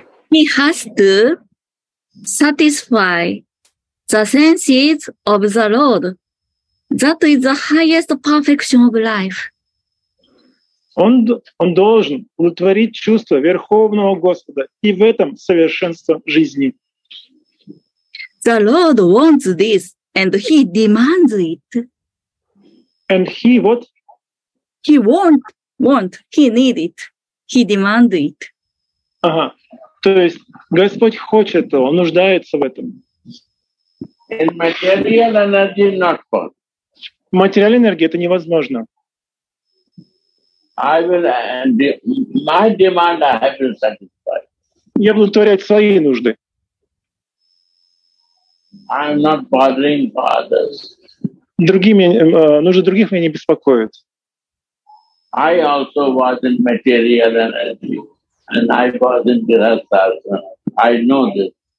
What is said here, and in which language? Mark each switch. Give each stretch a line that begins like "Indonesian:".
English: He has to satisfy the senses of the Lord. That is the highest perfection of life.
Russian: Он должен удовлетворить чувства Верховного Господа, и в этом совершенство жизни.
English: The Lord wants this, and He demands it. And He what? He want, He need it, He demand it.
Russian: Ага, то есть Господь хочет этого, Он нуждается в этом.
English: And material energy not possible.
Russian: Материальная энергия — это невозможно.
English: I will and my demand I have to satisfy.
Russian: Я буду удовлетворять свои нужды.
English: I'm not bothering others.
Russian: Другими нужды других меня не беспокоят.
English: I also was in material energy and I was in grihastha. I know this.